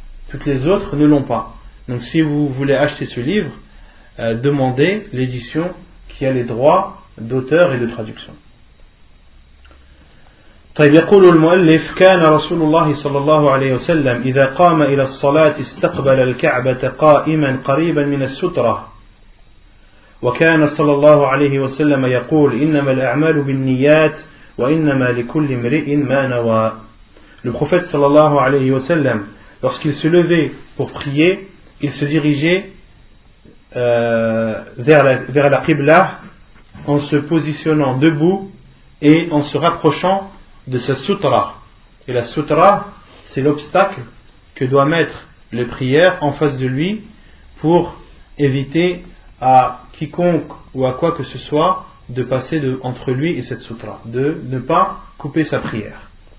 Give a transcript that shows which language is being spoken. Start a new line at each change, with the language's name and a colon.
French: Toutes les autres ne l'ont pas. Donc si vous voulez acheter ce livre, demandez l'édition qui a les droits d'auteur et de traduction.
Arabic: طيب يقول المؤلف كان رسول الله صلى الله عليه وسلم إذا قام إلى الصلاة استقبل الكعبة قائما قريبا من السترة وكان صلى الله عليه وسلم يقول إنما الأعمال بالنيات وإنما لكل امرئ ما نوى.
French: Le prophète صلى الله عليه وسلم lorsqu'il se levait pour prier, il se dirigeait vers la Qibla en se positionnant debout et en se rapprochant de sa sutra. Et la sutra, c'est l'obstacle que doit mettre le prieur en face de lui pour éviter à quiconque ou à quoi que ce soit de passer entre lui et cette sutra, de ne pas couper sa prière.